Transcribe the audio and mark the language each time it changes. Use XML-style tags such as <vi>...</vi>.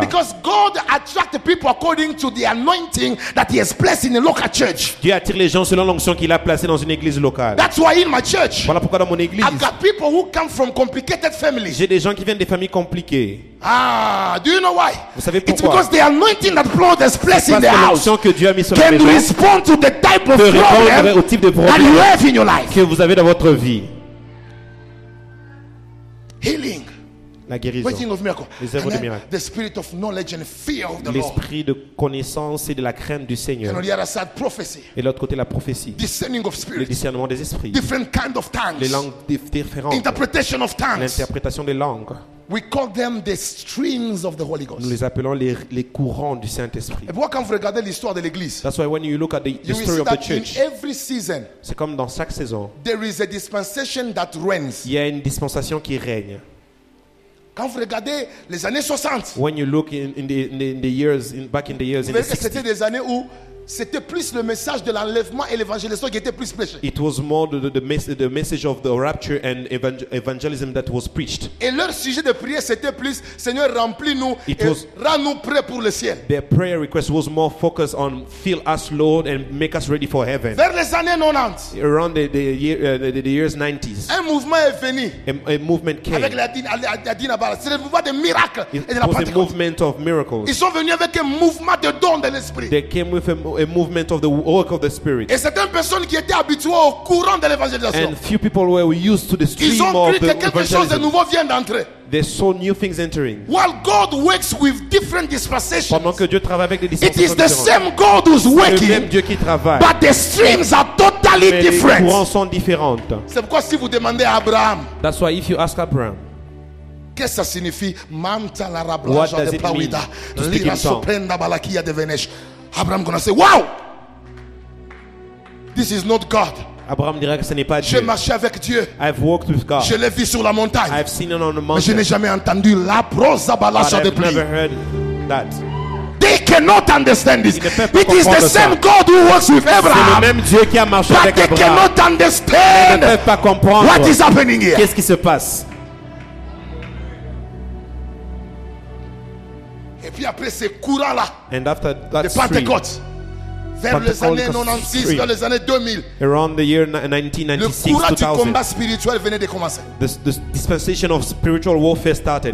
<en>Because God attracts the people according to the anointing that He has placed in a local church.</en> <fr>Dieu attire les gens selon l'onction qu'il a placée dans une église locale.</fr> <en>That's why in my church,</en> <fr>voilà pourquoi dans mon église,</fr> <en>I've got people who come from complicated families.</en> <fr>J'ai des gens qui viennent des familles compliquées.</fr> <en>Ah, do you know why?</en> <fr>Vous savez pourquoi?</fr> <en>It's because the anointing that flowed has placed in the house.</en> <fr>Que Dieu a mis sur la maison</fr> <en>can respond to the type of problem,</en> <fr>au type de problème</fr> <en>that you have in your life.</en> <fr>Que vous avez dans votre vie.</fr> <en>Healing.</en> <fr>La guérison.</fr> <en>Waiting of miracle.</en> <fr>Les œuvres de miracle.</fr> <en>The spirit of knowledge and fear of the</en> <fr>L'esprit</fr> <en>Lord.</en> <fr>De connaissance et de la crainte du Seigneur.</fr> <en>And on the other side, prophecy.</en> <fr>Et l'autre côté, la prophétie.</fr> <en>Discerning of spirits.</en> <fr>Le discernement des esprits.</fr> <en>Different kind of tongues.</en> <fr>Les langues différentes.</fr> <en>Interpretation of tongues.</en> <fr>L'interprétation des langues.</fr> <en>We call them the streams of the Holy Ghost.</en> <fr>Nous les appelons les courants du Saint-Esprit. Et quand vous regardez l'histoire de l'église,</fr> <en>that's why when you look at the story of the church, in every season,</en> <fr>c'est comme dans chaque saison,</fr> <en>there is a dispensation that reigns.</en> <fr>Il y a une dispensation qui règne. Quand vous regardez les années 60,</fr> <en>when you look in the years,</en> <fr>vous verrez que c'était des années où c'était plus le message de l'enlèvement et l'évangélisme qui était plus prêché.</fr> <en>It was more the message of the rapture and evangelism that was preached.</en> <fr>Et leur sujet de prière c'était plus Seigneur remplis-nous et rends-nous prêts pour le ciel.</fr> <en>Their prayer request was more focused on fill us Lord and make us ready for heaven.</en> <fr>Vers les années 90.</fr> <en>Around the years 90s.</en> <fr>Un mouvement est venu.</fr> <en>A movement came.</en> <fr>Avec la dinabala, c'est le mouvement des miracles et de la</fr> <en>pentecôte. It was a movement of miracles.</en> <fr>Ils sont venus avec un mouvement de don de l'esprit.</fr> <en>They came with a movement of the work of the Spirit.</en> <fr>Et certaines personnes qui étaient habituées au courant de l'évangélisation.</fr> <en>And few people were used to the stream of the evangelism.</en> <fr>Quelque chose de nouveau vient d'entrer.</fr> <en>They saw new things entering. While God works with different dispensations,</en> <fr>pendant que Dieu travaille avec des dispensations,</fr> <en>it is the same God who's working.</en> <fr>Le même Dieu qui travaille.</fr> <en>But the streams are totally different.</en> <fr>Les courants sont différents. C'est pourquoi si vous demandez à Abraham,</fr> <en>that's why if you ask Abraham,</en> <fr>qu'est-ce que ça signifie? Manta la rablaja de plawida, lira soprenda balakia de venesh.</fr> <en>Abraham gonna say, wow! This is not God.</en> <fr>Abraham dira que ce n'est pas Dieu. J'ai marché avec Dieu.</fr> <en>I've walked with God.</en> <fr>Je l'ai vu sur la montagne.</fr> <en>I've seen it on the mountain.</en> <fr>Je n'ai jamais entendu la prosa balasha de pluie.</fr> <en>I've never heard that. They cannot understand this. It is the same God who works with Abraham.</en> <fr>C'est le même Dieu qui a marché</fr> <en>but</en> <fr>avec</fr> <en>they</en> <fr>Abraham.</fr> <en>Cannot understand</en> <fr>ne pas comprendre</fr> <en>what is happening here.</en> <fr>Qu'est-ce qui se passe? Et puis après ces courants-là,</fr> <en>and after that</en> <fr>the Pentecôte, vers les années 96, vers les années 2000,</fr> <en>around the year 1996,</en> <fr>le courant 2000, du combat spirituel venait de commencer.</fr> <en>The dispensation of spiritual warfare started.</en>